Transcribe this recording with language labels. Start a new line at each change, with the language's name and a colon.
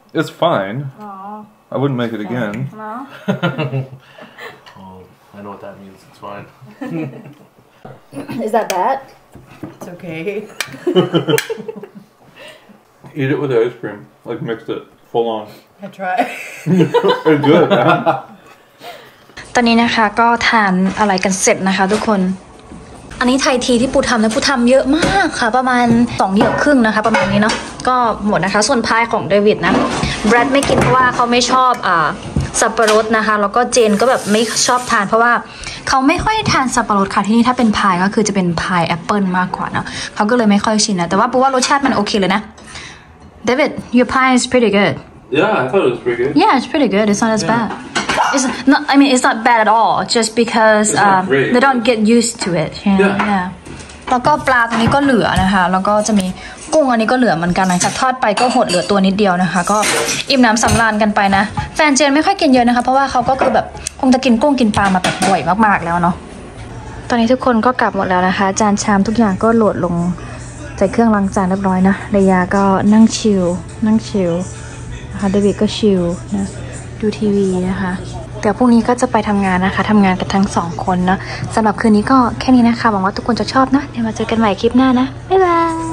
English: It's fine. Aww. I wouldn't make it again. No. Oh, I know what that means. It's fine. Is that bad? It's okay. Eat it with the ice cream. Like, mix it full on. I try. It's good, man.
Thai: ตอนนี้นะคะก็ทานอะไรกันเสร็จนะคะทุกคนอันนี้ไทยทีที่ปูทำนะปูทำเยอะมากค่ะประมาณ2เยอะครึ่งนะคะประมาณนี้เนาะก็หมดนะคะส่วนพายของเดวิดนะแบรดไม่กินเพราะว่าเขาไม่ชอบสับปะรดนะคะแล้วก็เจนก็แบบไม่ชอบทานเพราะว่าเขาไม่ค่อยทานสับปะรดค่ะที่นี่ถ้าเป็นพายก็คือจะเป็นพายแอปเปิลมากกว่าเนาะเขาก็เลยไม่ค่อยชินนะแต่ว่าปูว่ารสชาติมันโอเคเลยนะเดวิด
English: your pie is pretty good yeah I thought it was pretty good yeah it's pretty good it's not as bad it's not bad at all just because they don't get used to it yeah
Thai: แล้วก็ปลาตรงนี้ก็เหลือนะคะแล้วก็จะมีกุ้งอันนี้ก็เหลือเหมือนกันนะจากทอดไปก็หดเหลือตัวนิดเดียวนะคะก็อิ่มน้ำสำราญกันไปนะแฟนเจนไม่ค่อยกินเยอะนะคะเพราะว่าเขาก็คือแบบคงจะกินกุ้งกินปลามาแบบบ่อยมากๆแล้วเนาะ ตอนนี้ทุกคนก็กลับหมดแล้วนะคะจานชามทุกอย่างก็โหลดลงใส่เครื่องล้างจานเรียบร้อยนะระยะก็นั่งชิลนั่งชิลนะคะเดวิดก็ชิลนะดูทีวีนะคะเดี๋ยวพรุ่งนี้ก็จะไปทำงานนะคะทำงานกันทั้ง2คนนะสำหรับคืนนี้ก็แค่นี้นะคะหวังว่าทุกคนจะชอบนะเดี๋ยวมาเจอกันใหม่คลิปหน้านะบ๊ายบาย